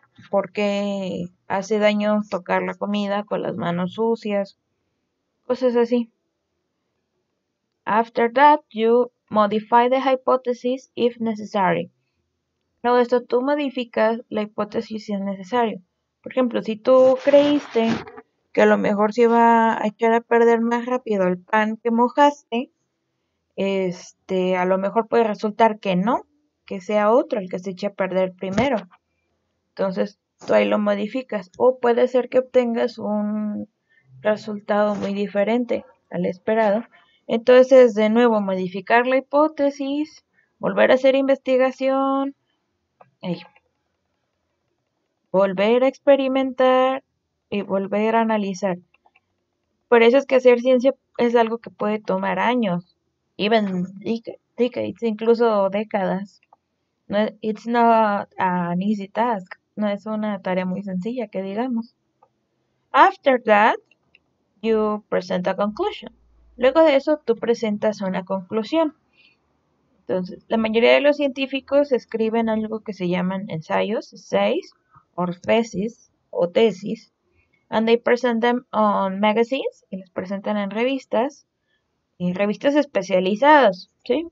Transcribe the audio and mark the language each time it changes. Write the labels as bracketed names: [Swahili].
[Spanish] ¿Por qué hace daño tocar la comida con las manos sucias? Cosas así. [English] After that, you modify the hypothesis if necessary. [Spanish] Luego de esto, tú modificas la hipótesis si es necesario. Por ejemplo, si tú creíste que a lo mejor se iba a echar a perder más rápido el pan que mojaste, a lo mejor puede resultar que no, que sea otro el que se eche a perder primero. Entonces, tú ahí lo modificas. O puede ser que obtengas un resultado muy diferente al esperado. Entonces, de nuevo, modificar la hipótesis, volver a hacer investigación, volver a experimentar y volver a analizar. Por eso es que hacer ciencia es algo que puede tomar años, [English] even decades, [Spanish] incluso décadas. No, [English] it's not an easy task, [Spanish] no es una tarea muy sencilla, que digamos. [English] After that, you present a conclusion. [Spanish] Luego de eso, tú presentas una conclusión. Entonces, la mayoría de los científicos escriben algo que se llaman ensayos, essays, o thesis, o tesis, [English] and they present them on magazines, [Spanish] y los presentan en revistas, y revistas especializadas, ¿sí?